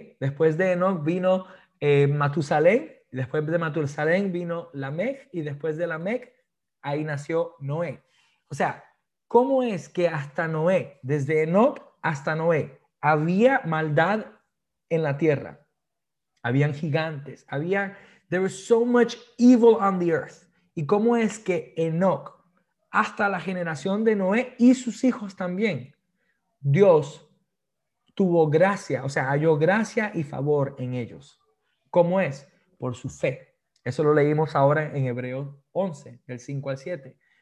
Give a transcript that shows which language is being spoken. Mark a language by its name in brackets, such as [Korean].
[Spanish] Después de Enoch vino Matusalén, después de Matusalén vino Lamec, y después de Lamec, ahí nació Noé. O sea, ¿cómo es que hasta Noé, desde Enoch hasta Noé, había maldad en la tierra? [English] Habían gigantes, there was so much evil on the earth. [Spanish] ¿Y cómo es que Enoch, hasta la generación de Noé y sus hijos también, Dios tuvo gracia, o sea, halló gracia y favor en ellos? ¿Cómo es? Por su fe. Eso lo leímos ahora en Hebreos 11, del 5 al 7.